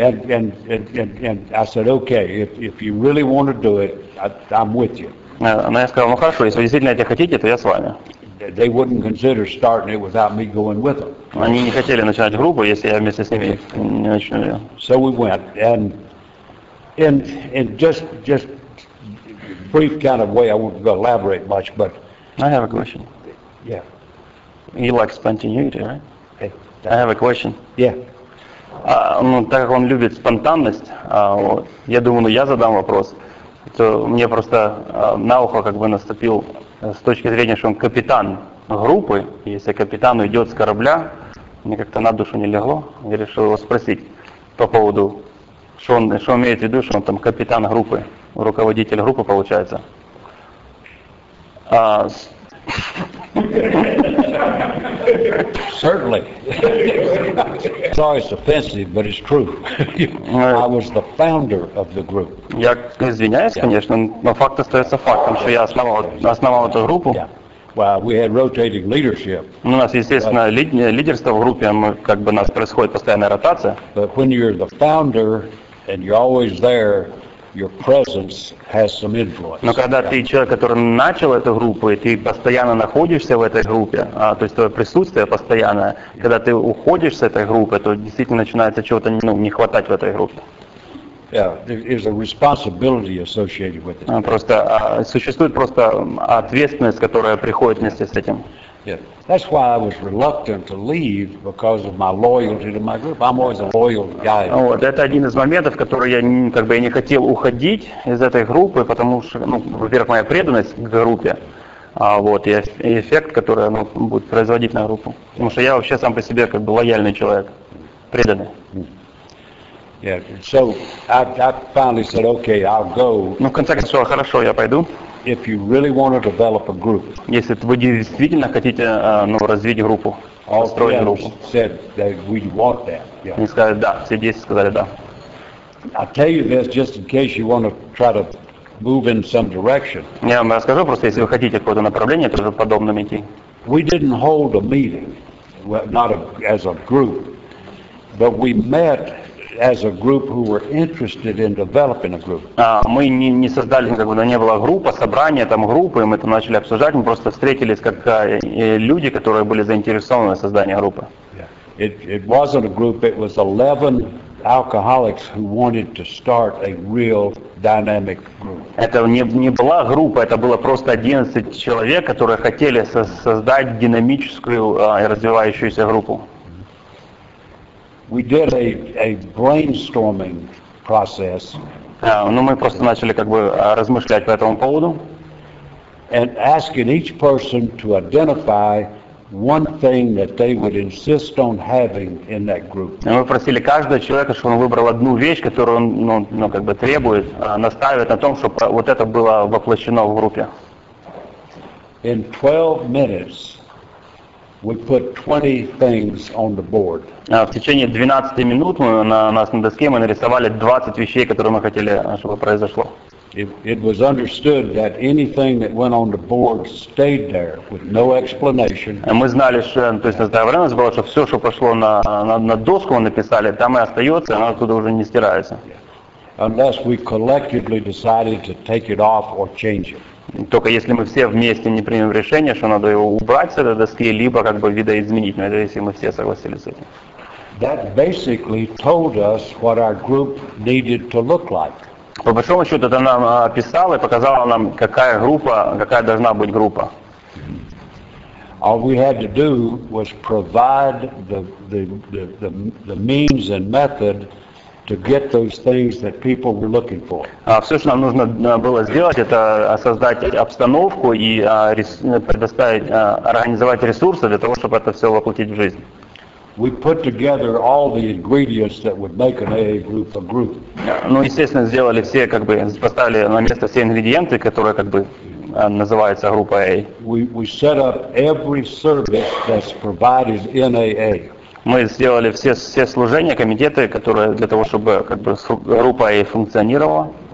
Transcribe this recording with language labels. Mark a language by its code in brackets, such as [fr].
[en] And I said, okay, if you really want to do it, I'm with you. [ru] Она сказала, ну хорошо, если вы действительно это хотите, то я с вами. [en] They wouldn't consider starting it without me going with them. [ru] Они не хотели начинать группу, если я вместе с ними не начну ее. [en] So we went, and just brief kind of way, I won't elaborate much, but. I have a question. Yeah. You like spontaneity, right? Hey, I have a question. Yeah. [ru] Ну, так как он любит спонтанность, вот, я думаю, ну, я задам вопрос, то мне просто на ухо как бы наступил с точки зрения, что он капитан группы, если капитан уйдет с корабля, мне как-то на душу не легло, я решил его спросить по поводу, что он имеет в виду, что он там капитан группы, руководитель группы получается. [en] Certainly. Sorry, it's offensive, but it's true. I was the founder of the group. [ru] Я извиняюсь, конечно, но факт остается фактом, что я основал эту группу. [en] Well, we had rotating leadership. [ru] У нас, естественно, лидерство в группе, как бы у нас происходит постоянная ротация. [en] But when you're the founder and you're always there, your presence has some influence. [ru] Но когда ты человек, который начал эту группу, и ты постоянно находишься в этой группе, то есть твое присутствие постоянное, когда ты уходишь с этой группы, то действительно начинается чего-то не хватать в этой группе. [en] Yeah, there is a responsibility associated with it. [ru] Просто существует просто ответственность, которая приходит вместе с этим. [en] Yeah. That's why I was reluctant to leave because of my loyalty to my group. I'm always a loyal guy. [ru] Вот это один из моментов, который я как бы я не хотел уходить из этой группы, потому что, ну, во-первых, моя преданность к группе, вот, и эффект, который оно будет производить на группу, потому что я вообще сам по себе как бы лояльный человек, преданный. [en] Yeah. So I finally said, okay, I'll go. [ru] Ну, в конце концов, хорошо, я пойду. [en] If you really want to develop a group, [ru] если вы действительно хотите, ну, развить группу, построить группу, [en] said that we want that. Yeah. [ru] Они сказали да, все 10 сказали да. [en] I tell you this just in case you want to try to move in some direction. [ru] Я вам расскажу просто, если вы хотите какое-то направление, тоже подобное идти. [en] We didn't hold a meeting, not as a group, but we met as a group who were interested in developing a group. [ru] Мы не создали, как бы, не было группа, собрание там группы, мы это начали обсуждать, мы просто встретились как люди, которые были заинтересованы в создании группы. [en] Yeah. It wasn't a group, it was 11 alcoholics who wanted to start a real dynamic group. [ru] Это не была группа, это было просто 11 человек, которые хотели создать динамическую и развивающуюся группу. [en] We did a brainstorming process. [ru] Ну мы просто начали как бы размышлять по этому поводу. [en] And asking each person to identify one thing that they would insist on having in that group. [ru] Мы просили каждого человека, чтобы он выбрал одну вещь, которую он, ну как бы требует, настаивает на том, чтобы вот это было воплощено в группе. [en] In 12 minutes. We put 20 things on the board. [ru] В течение 12 минут мы на доске мы нарисовали 20 вещей, которые мы хотели, чтобы произошло. [en] It was understood that anything that went on the board stayed there with no explanation. [ru] Мы знали, что, то есть, договоренность была, что все, что пошло на доску, мы написали, там и остается, оно оттуда уже не стирается. [en] Unless we collectively decided to take it off or change it. [ru] Только если мы все вместе не примем решение, что надо его убрать с этой доски, либо как бы видоизменить, но это если мы все согласились с этим. [en] That basically told us what our group needed to look like. [ru] По большому счету, это нам описало и показало нам, какая группа, какая должна быть группа. [en] All we had to do was provide the means and method to get those things that people were looking for. [ru] Все, что нам нужно было сделать, это создать обстановку и предоставить, организовать ресурсы для того, чтобы это все воплотить в жизнь. [en] We put together all the ingredients that would make an AA group a group. [ru] Ну, естественно, сделали все, как бы, поставили на место все ингредиенты, которые, как бы, называется группа AA. [en] We set up every service that's provided in AA. [ru] Мы сделали все служения, комитеты, которые для того, чтобы, как бы, группа AA функционировала.